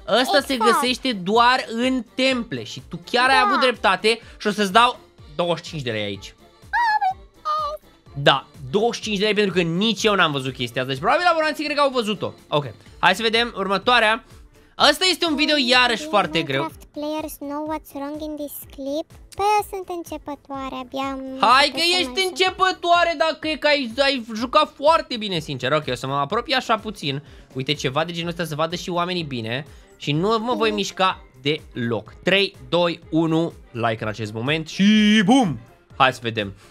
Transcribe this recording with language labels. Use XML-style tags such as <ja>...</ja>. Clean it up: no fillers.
<ro>Ăsta se găsește doar în temple și tu chiar ai avut dreptate și o să-ți dau 25 de lei aici. Da, 25 de lei pentru că nici eu n-am văzut chestia asta. Deci probabil abonații cred că au văzut-o. Ok, hai să vedem următoarea. Ăsta este un video iarăși foarte greu.</ro> <en>Minecraft players know what's wrong in this clip.</en> <ro>Păi eu sunt începătoare, abia... Hai că ești începătoare, dacă e că ai jucat foarte bine, sincer. Ok, o să mă apropii așa puțin. Uite, ceva de genul ăsta, să vadă și oamenii bine. Și nu mă voi mișca deloc. 3, 2, 1, like în acest moment și bum! Hai să vedem.</ro>